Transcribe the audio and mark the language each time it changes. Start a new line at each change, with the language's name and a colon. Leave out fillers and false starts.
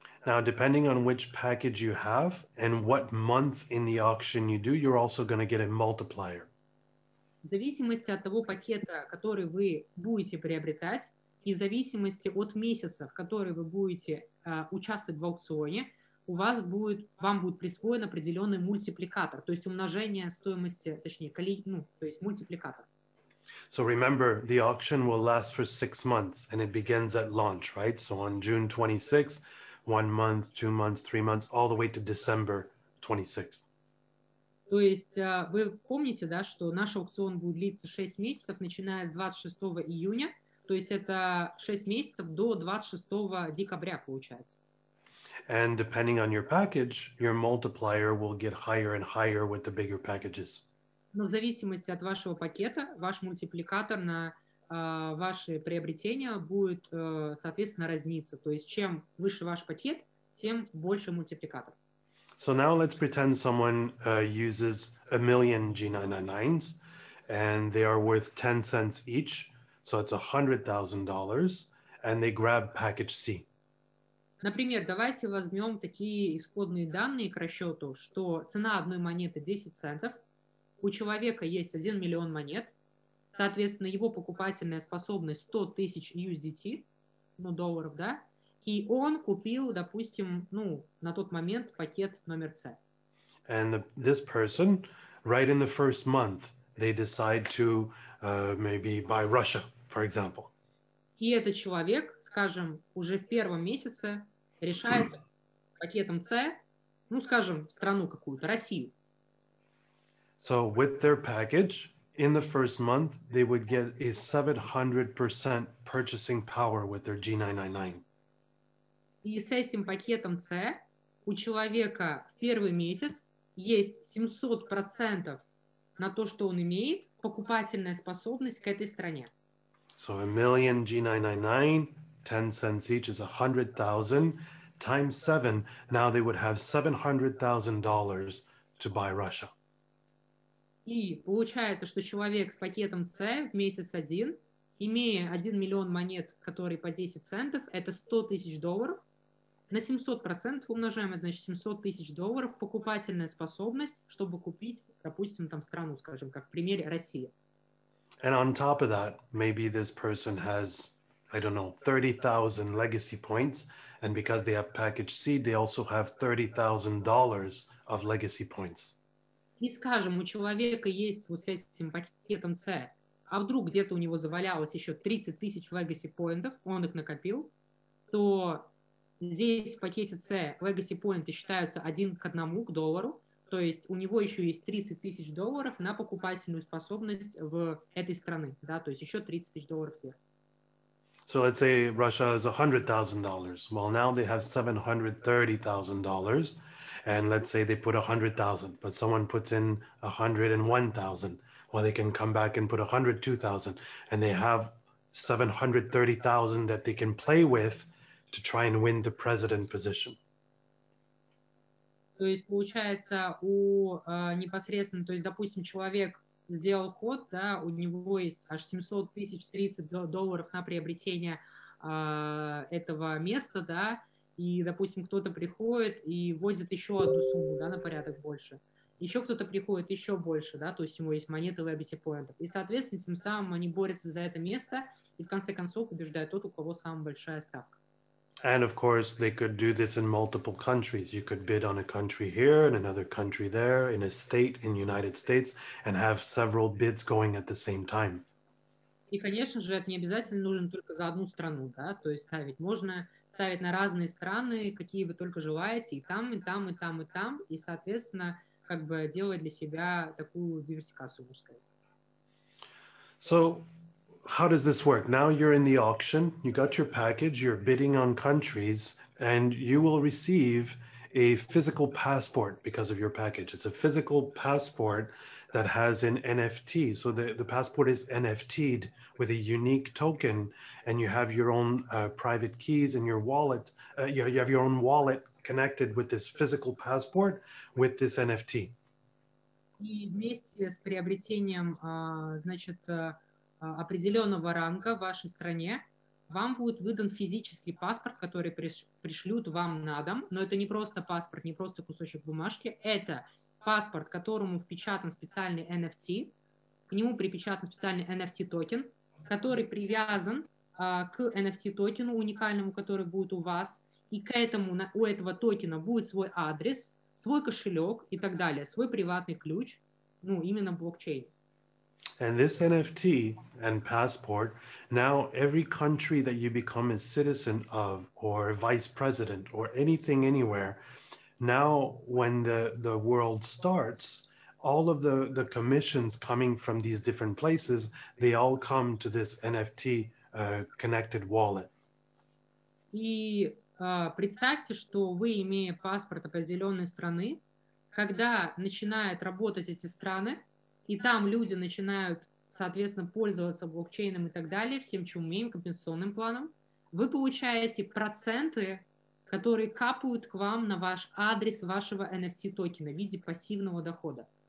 English: Now, depending on which package you have and what month in the auction you do, you're also going to get a multiplier.
Russian: В зависимости от того пакета, который вы будете приобретать, и в зависимости от месяца, в который вы будете участвовать в аукционе, вам будет присвоен определенный мультипликатор, то есть умножение стоимости, то есть мультипликатор.
English: So remember, the auction will last for 6 months and it begins at launch, right? So on June 26th, 1 month, 2 months, 3 months, all the way to December 26th.
Russian: То есть вы помните, да, что наш аукцион будет длиться 6 месяцев, начиная с 26 июня, то есть это 6 месяцев до 26 декабря получается.
English: And depending on your package, your multiplier will get higher and higher with the bigger packages.
Russian: Но в зависимости от вашего пакета, ваш мультипликатор на ваши приобретения будет, соответственно, разниться. То есть чем выше ваш пакет, тем больше мультипликатор.
English: So now let's pretend someone uses a million G99s and they are worth 10 cents each. So it's $100,000 and they grab package C.
Russian: Например, давайте возьмем такие исходные данные к расчету, что цена одной монеты 10 центов, у человека есть 1 миллион монет, соответственно, его покупательная способность 100 тысяч USDT, ну, долларов, да, и он купил, допустим, ну, на тот момент пакет номер C.
English: And this person, right in the first month, they decide to maybe buy Russia, for example.
Russian: И этот человек, скажем, уже в первом месяце решает пакетом C, ну, скажем, страну какую-то, Россию.
English: So with their package, in the first month, they would get a 700% purchasing power with their G999.
Russian: И с этим пакетом C у человека в первый месяц есть 700% на то, что он имеет, покупательная способность к этой стране.
English: So a million G999, 10 cents each is 100,000. Times 7, now they would have $700,000 to buy Russia.
Russian: И получается, что человек с пакетом C в месяц один, имея 1 миллион монет, которые по 10 центов, это 100 тысяч долларов, на 700% умножаем, значит, 700 тысяч долларов, покупательная способность, чтобы купить, допустим, там страну, скажем, как в примере Россия.
English: And on top of that, maybe this person has, I don't know, 30,000 legacy points. And because they have package C, they also have $30,000 of legacy points.
Russian: И скажем, у человека есть вот с этим пакетом C, а вдруг где-то у него завалялось еще 30 тысяч legacy points, он их накопил, то здесь в пакете C legacy points считаются 1:1 к доллару, то есть у него еще есть 30 тысяч долларов на покупательную способность в этой стране, да, то есть еще 30 тысяч долларов сверху.
English: So let's say Russia is $100,000. Well, now they have $730,000. And let's say they put $100,000, but someone puts in $101,000. Well, they can come back and put $102,000. And they have $730,000 that they can play with to try and win the president position.
Russian: То есть получается у непосредственно, то есть, допустим, человек сделал ход, да, у него есть аж 700 тысяч 30 долларов на приобретение этого места, да, и, допустим, кто-то приходит и вводит еще одну сумму, да, на порядок больше. Еще кто-то приходит еще больше, да, то есть у него есть монеты legacy points. И, соответственно, тем самым они борются за это место и, в конце концов, побеждают тот, у кого самая большая ставка.
English: And, of course, they could do this in multiple countries. You could bid on a country here and another country there, in a state in the United States, and have several bids going at the same time.
Russian: И, конечно же, это не обязательно нужно только за одну страну, да? То есть ставить. Можно ставить на разные страны, какие вы только желаете, и там, и там, и там, и там, и, соответственно, как бы делать для себя такую диверсификацию, можно сказать.
English: So, how does this work? Now you're in the auction, you got your package, you're bidding on countries, and you will receive a physical passport because of your package. It's a physical passport that has an NFT. So the passport is NFT'd with a unique token, and you have your own private keys in your wallet. You have your own wallet connected with this physical passport, with this NFT.
Russian: И вместе с приобретением, значит, определенного ранга в вашей стране, вам будет выдан физический паспорт, который пришлют вам на дом. Но это не просто паспорт, не просто кусочек бумажки. Это паспорт, которому впечатан специальный NFT. К нему припечатан специальный NFT-токен, который привязан к NFT-токену уникальному, который будет у вас. И к этому, у этого токена будет свой адрес, свой кошелек и так далее, свой приватный ключ, ну, именно блокчейн.
English: And this NFT and passport, now every country that you become a citizen of, or vice president, or anything anywhere, now when the world starts, all of the commissions coming from these different places, they all come to this NFT connected wallet.
Russian: И представьте, что вы, имея паспорт определенной страны, когда начинают работать эти страны, и там люди начинают, соответственно, пользоваться блокчейном и так далее, всем, чем умеем, компенсационным планом, вы получаете проценты, которые капают к вам на ваш адрес вашего NFT-токена в виде пассивного дохода.